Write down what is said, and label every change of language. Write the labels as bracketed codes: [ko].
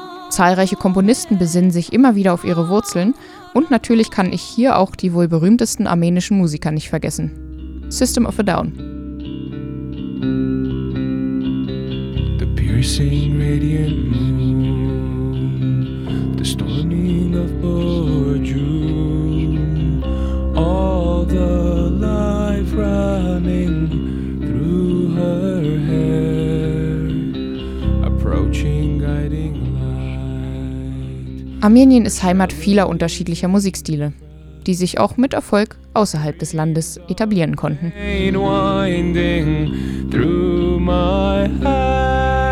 [de] Zahlreiche Komponisten besinnen sich immer wieder auf ihre Wurzeln. Und natürlich kann ich hier auch die wohl berühmtesten armenischen Musiker nicht vergessen. System of a Down. [en] The piercing radiant moon, the storming of Borju, all the life running through her hair, approaching guiding light. [de] Armenien ist Heimat vieler unterschiedlicher Musikstile, die sich auch mit Erfolg außerhalb des Landes etablieren konnten.